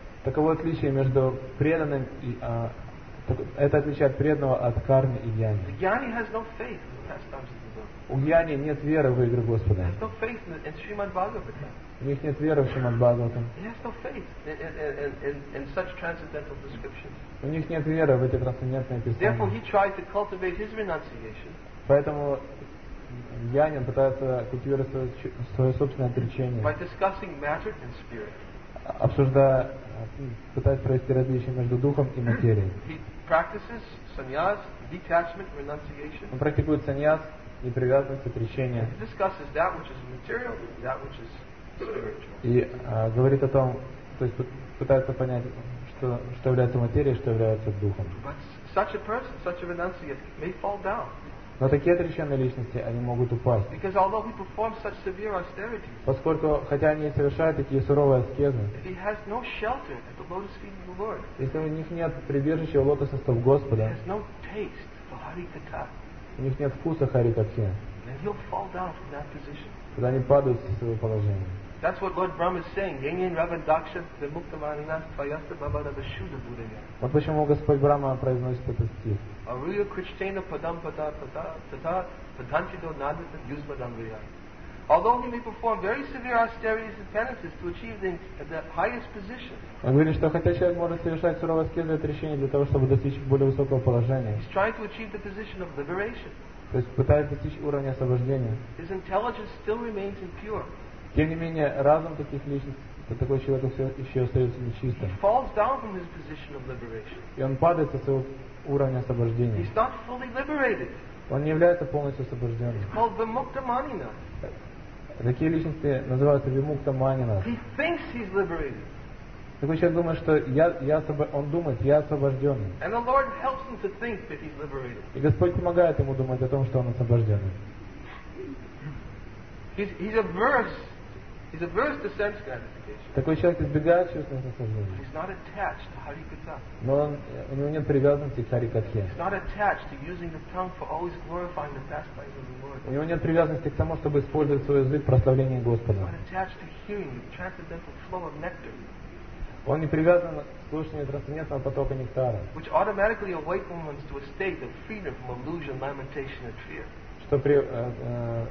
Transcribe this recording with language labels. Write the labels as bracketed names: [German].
[Russian] Таково отличие между преданным и это отличает преданного от кармы и джняни. [English] The jnani has no faith in past times. [Russian] У Гьяни нет веры в игры Господа. [English] No faith in Shrimad Bhagavatam. [Russian] У них нет веры в Шримад Бхагаватам. [English] He has no faith in such transcendental descriptions. [Russian] У них нет веры в эти трансцендентные описания. [English] Therefore, he tried to cultivate his renunciation. [Russian] Поэтому Гьяни пытается культивировать свое собственное отречение. [English] By discussing matter and spirit. [Russian] Пытается провести различие между духом и материей. [English] He practices sannyas, detachment, renunciation. [Russian] Он практикует саньяс, непривязанность, отречение. [English] He discusses that which is material, that which is spiritual. [Russian] И говорит о том, то есть пытается понять, что является материей, что является духом. [English] But such a person, such a renunciate, may fall down. [Russian] Но такие отреченные личности, они могут упасть. [English] Because although he performs such severe austerity, [Russian] поскольку хотя они совершают такие суровые аскезы, [English] if he has no shelter at the lotus feet of the Lord, [Russian] если у них нет прибежища у лотоса стоп Господа, [English] he has no taste for Hari Katha. [Russian] У них нет вкуса харикатхи. [English] then he'll fall down from that position. [Russian] Когда они падают со своего положения. [English] That's what Lord Brahma is saying. [Sanskrit] Yengin Ravan Daksha Vimuktamanina Tvayasta Babada Vishuda Buddhaya. [Russian] Вот почему Господь Брама произносит этот стих. [Sanskrit] Aruya Krishna Padam Pada Pada Padanchido Nandita Yuzmadamriya. [English] Although he may perform very severe austerities and penances to achieve the highest position. [Russian] Он говорит, что хотя человек может совершать суровые аскезы и отречения для того, чтобы достичь более высокого положения. [English] He's trying to achieve the position of liberation. [Russian] То есть пытается достичь уровня освобождения. [English] His intelligence still remains impure. [Russian] Тем не менее, разум таких личностей, такой человек еще остается нечистым. [English] He falls down from his position of liberation. [Russian] И он падает со своего уровня освобождения. [English] He's not fully liberated. [Russian] Он не является полностью освобожденным. [English] He's called Vimukta Manina. [Russian] Такие личности называются Вимукта Манина. [English] He thinks he's liberated. [Russian] Такой человек думает, что он думает, я освобожденный. [English] And the Lord helps him to think that he's liberated. [Russian] И Господь помогает ему думать о том, что он освобожденный. [English] He's averse to sense gratification. [Russian] Такой человек избегает чувственных наслаждений. [English] He's not attached to Harikatha. [Russian] Но у него нет привязанности к Харикатхе. [English] He's not attached to using the tongue for always glorifying the pastimes of the Lord. [Russian] У него нет привязанности к тому, чтобы использовать свой язык в прославлении Господа. [English] He's not attached to hearing the transcendental flow of nectar. [Russian] Он не привязан к слушанию трансцендентного потока нектара. [English] Which automatically awakens one to a state of freedom from illusion, lamentation, and fear.